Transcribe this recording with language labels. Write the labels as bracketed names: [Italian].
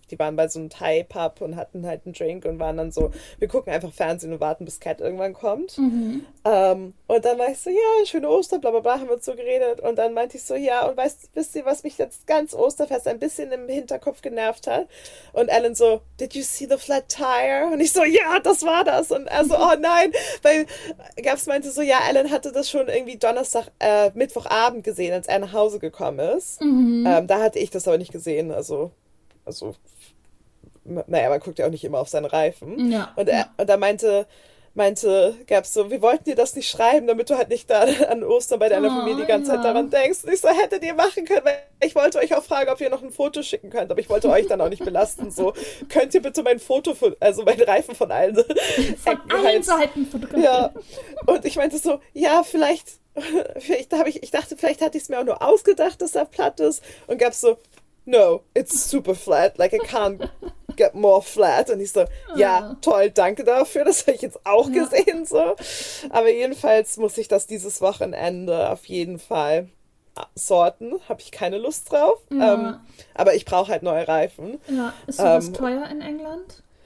[German] Die waren bei so einem Thai-Pub und hatten halt einen Drink und waren dann so, wir gucken einfach Fernsehen und warten, bis Cat irgendwann kommt. Und dann war ich so, ja, schöne Ostern, bla bla bla, haben wir so geredet. Und dann meinte ich so, ja, und wisst ihr, was mich jetzt ganz Osterfest ein bisschen im Hinterkopf genervt hat? Und Alan so, [English] did you see the flat tire? [German] Und ich so, ja, das war das. Und er so, oh nein, weil Gabs meinte so, ja, Alan hatte das schon irgendwie Donnerstag, Mittwochabend gesehen, als er nach Hause gekommen ist. Da hatte ich das aber nicht gesehen, also. Also, naja, man guckt ja auch nicht immer auf seinen Reifen. Ja, Und ja. da meinte Gabs so, wir wollten dir das nicht schreiben, damit du halt nicht da an Ostern bei deiner Familie die ganze Zeit daran denkst. Und ich so, hättet ihr machen können, weil ich wollte euch auch fragen, ob ihr noch ein Foto schicken könnt. Aber ich wollte euch dann auch nicht belasten. So, könnt ihr bitte mein Foto von, also mein Reifen von allen Von Ecken allen halt. Seiten Ja. fotografieren. Und ich meinte so, ja, vielleicht habe ich dachte, vielleicht hatte ich es mir auch nur ausgedacht, dass er platt ist. Und Gabs so, [English] no, it's super flat. Like, it can't get more flat. [German] Und ich so, ja, toll, danke dafür. Das habe ich jetzt auch gesehen. So. Aber jedenfalls muss ich das dieses Wochenende auf jeden Fall sorten. Habe ich keine Lust drauf. Aber ich brauche halt neue Reifen. Ja, ist sowas teuer in England?